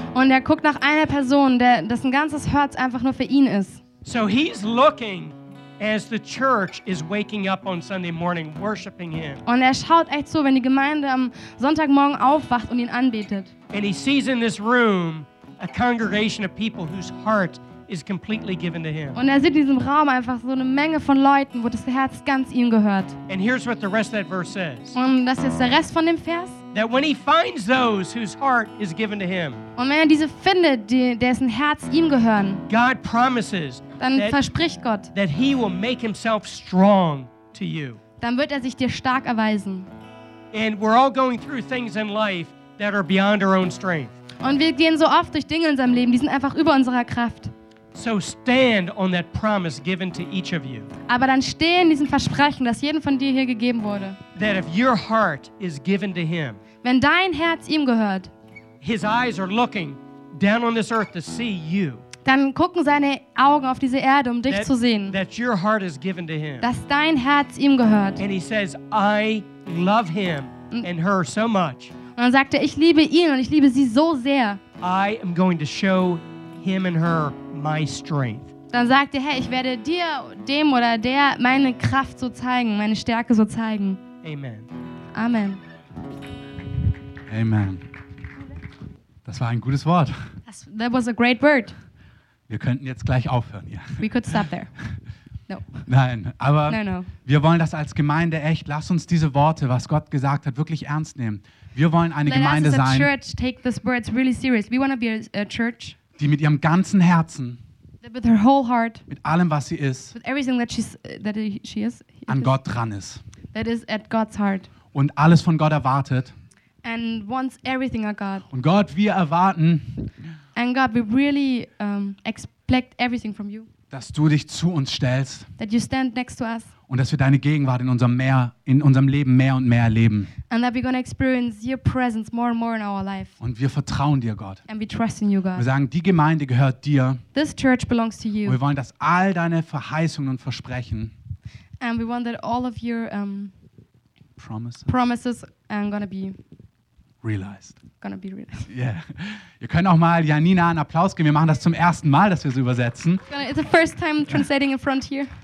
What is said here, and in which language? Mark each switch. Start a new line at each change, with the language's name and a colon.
German: Und er guckt nach einer Person, dessen ganzes Herz einfach nur für ihn ist.
English: So he's looking as the church is waking up on Sunday morning worshiping him.
German: Und er schaut echt so, wenn die Gemeinde am Sonntagmorgen aufwacht und ihn anbetet.
English: And he sees in this room a congregation of people whose heart is completely given to him.
German: Und er sieht in diesem Raum einfach so eine Menge von Leuten, wo das Herz ganz ihm gehört.
English: And here's what the rest of that verse says.
German: Und das ist der Rest von dem Vers.
English: That when he finds those whose heart is given to him.
German: Und wenn er diese findet, dessen Herz ihm gehören.
English: God promises.
German: Dann verspricht Gott.
English: That he will make himself strong to you.
German: Dann wird er sich dir stark erweisen.
English: And we're all going through things in life that are beyond our own strength.
German: Und wir gehen so oft durch Dinge in unserem Leben, die sind einfach über unserer Kraft.
English: So stand on that promise given to each of you.
German: Aber dann stehe in diesem Versprechen, das jedem von dir hier gegeben wurde.
English: That if your heart is given to him.
German: Wenn dein Herz ihm gehört.
English: His eyes are looking down on this earth to see you.
German: Dann gucken seine Augen auf diese Erde, um dich
English: that,
German: zu sehen.
English: That your heart is given to him.
German: Dass dein Herz ihm gehört.
English: And he says, I love him and her so much.
German: Und dann sagte er, ich liebe ihn und ich liebe sie so sehr.
English: I am going to show him and her my strength.
German: Dann sagt er, hey, ich werde dir, dem oder der, meine Kraft so zeigen, meine Stärke so zeigen.
English: Amen. Amen.
German: Amen. Das war ein gutes Wort.
English: That was a great word.
German: Wir könnten jetzt gleich aufhören hier.
English: We could stop there. No.
German: Nein, aber
English: no.
German: Wir wollen das als Gemeinde echt, lass uns diese Worte, was Gott gesagt hat, wirklich ernst nehmen. Wir wollen eine Gemeinde sein.
English: Let us as a church take these words really serious. We want to be a church.
German: Die mit ihrem ganzen Herzen
English: with her whole heart,
German: mit allem, was sie ist,
English: with everything that she's, that she is,
German: an Gott dran ist,
English: that is at God's heart,
German: und alles von Gott erwartet,
English: and wants everything of God,
German: und Gott, wir erwarten,
English: and God, we really expect everything from you,
German: dass du dich zu uns stellst,
English: that you stand next to us,
German: und dass wir deine Gegenwart in unserem Meer, in unserem Leben mehr und mehr erleben,
English: and that we're gonna experience your presence more and more in our life,
German: und wir vertrauen dir, Gott,
English: and we trust in you, God.
German: Wir sagen, die Gemeinde gehört dir,
English: this church belongs to you,
German: und wir wollen, dass all deine Verheißungen und Versprechen,
English: and we want that all of your promises are gonna be realized. Gonna be realized. Yeah.
German: Ihr könnt auch mal Janina einen Applaus geben. Wir machen das zum ersten Mal, dass wir es übersetzen.
English: It's the first time translating in front here.